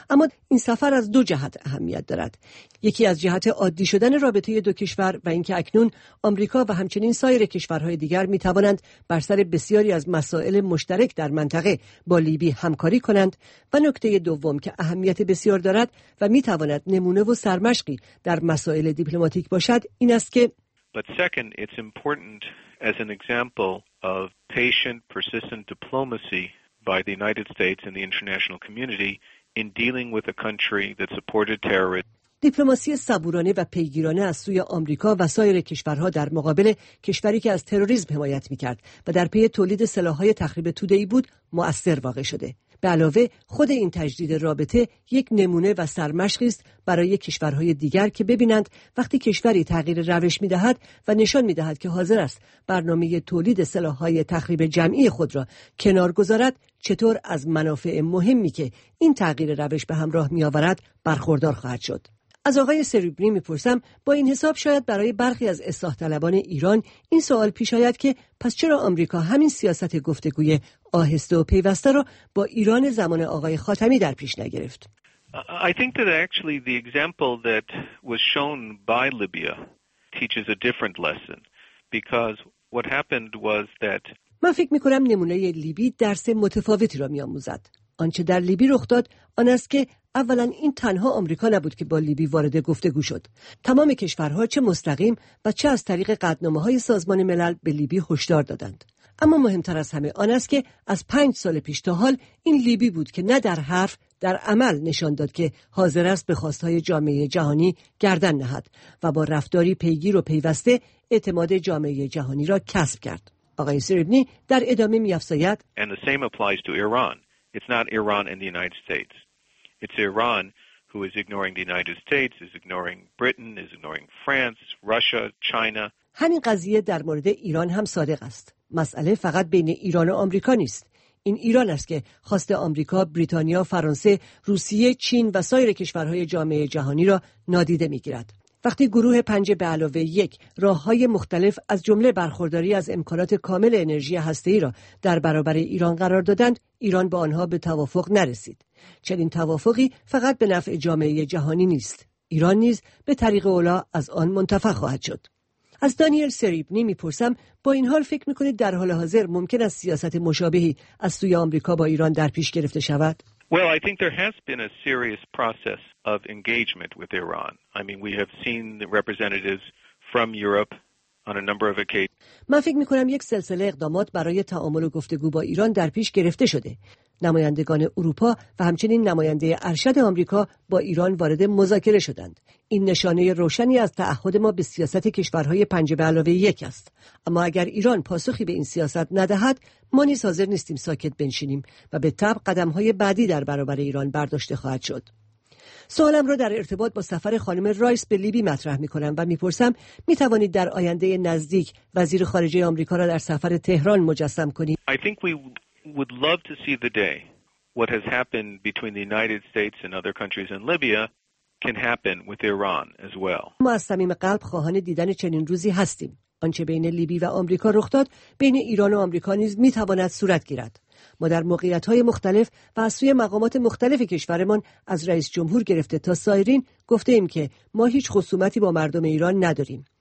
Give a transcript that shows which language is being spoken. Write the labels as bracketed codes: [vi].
[fa] اما این سفر از دو جهت اهمیت دارد. یکی از جهت عادی شدن رابطه دو کشور و اینکه اکنون آمریکا و همچنین سایر کشورهای دیگر می توانند بر سر بسیاری از مسائل مشترک در منطقه با لیبی همکاری کنند، و نکته دوم که اهمیت بسیار دارد و می تواند نمونه و سرمشقی در مسائل دیپلماتیک باشد این است که [en] But second, it's important as an example of patient, persistent diplomacy by the United States and the international community in dealing with a country that supported terrorism. [fa] دیپلماسی صبورانه و پیگیرانه از سوی آمریکا و سایر کشورها در مقابل کشوری که از تروریسم حمایت می‌کرد و در پی تولید سلاح‌های تخریب توده‌ای بود، مؤثر واقع شده. به علاوه خود این تجدید رابطه یک نمونه و سرمشقی است برای کشورهای دیگر که ببینند وقتی کشوری تغییر روش می‌دهد و نشان می‌دهد که حاضر است برنامه تولید سلاح‌های تخریب جمعی خود را کنار گذارد، چطور از منافع مهمی که این تغییر روش به همراه می‌آورد برخوردار خواهد شد. از آقای سریبنی می‌پرسم با این حساب شاید برای برخی از اصلاح طلبان ایران این سوال پیش آید که پس چرا آمریکا همین سیاست گفتگوی آهسته و پیوسته را با ایران زمان آقای خاتمی در پیش نگرفت؟ [en] I think that actually the example that was shown by Libya teaches a different lesson because what happened was that [fa] من فکر می‌کنم نمونه لیبی درس متفاوتی را می‌آموزد. آنچه در لیبی رخ داد آن است که اولا این تنها آمریکا نبود که با لیبی وارد گفتگو شد. تمام کشورها چه مستقیم و چه از طریق قطعنامه‌های سازمان ملل به لیبی هشدار دادند. اما مهمتر از همه آن است که از 5 سال پیش تا حال این لیبی بود که نه در حرف در عمل نشان داد که حاضر است به خواستهای جامعه جهانی گردن نهد و با رفتاری پیگیر و پیوسته اعتماد جامعه جهانی را کسب کرد. آقای سریبنی در ادامه می‌افزاید [en] And the same applies to Iran. It's not Iran and the United States. It's Iran who is ignoring the United States, is ignoring Britain, is ignoring France, Russia, China. [fa] همین قضیه در مورد ایران هم صادق است. مسئله فقط بین ایران و آمریکا نیست. این ایران است که خواست آمریکا، بریتانیا، فرانسه، روسیه، چین و سایر کشورهای جامعه جهانی را نادیده می‌گیرد. وقتی گروه 5 به علاوه 1 راه‌های مختلف از جمله برخورداری از امکانات کامل انرژی هسته‌ای را در برابر ایران قرار دادند، ایران با آنها به توافق نرسید. چنین توافقی فقط به نفع جامعه جهانی نیست. ایران نیز به طریق اولا از آن منتفع خواهد شد. از دانیل سریبنی می‌پرسم با این حال فکر می‌کنید در حال حاضر ممکن است سیاست مشابهی از سوی آمریکا با ایران در پیش گرفته شود؟ [en] Well, I think there has been a serious process of engagement with Iran. I mean, we have seen the representatives from Europe on a number of occasions. [fa] من فکر می‌کنم یک سلسله اقدامات برای تعامل و گفتگو با ایران در پیش گرفته شده. نمایندگان اروپا و همچنین نماینده ارشد آمریکا با ایران وارد مذاکره شدند. این نشانه روشنی از تعهد ما به سیاست کشورهای 5 به علاوه 1 است. اما اگر ایران پاسخی به این سیاست ندهد، ما نیز حاضر نیستیم ساکت بنشینیم و به تبع قدم‌های بعدی در برابر ایران برداشته خواهد شد. سوالم را در ارتباط با سفر خانم رایس به لیبی مطرح می‌کنم و می‌پرسم می‌توانید در آینده نزدیک وزیر خارجه آمریکا را در سفر تهران مجسم کنید؟ [en] Would love to see the day what has happened between the United States and other countries in Libya can happen with Iran as well. [fa] ما از صمیم قلب خواهان دیدن چنین روزی هستیم. آنچه بین لیبی و آمریکا رخ داد بین ایران و آمریکا نیز می تواند صورت گیرد. ما در موقعیت‌های مختلف و از سوی مقامات مختلف کشورمان از رئیس جمهور گرفته تا سایرین گفته‌ایم که ما هیچ خصومتی با مردم ایران نداریم.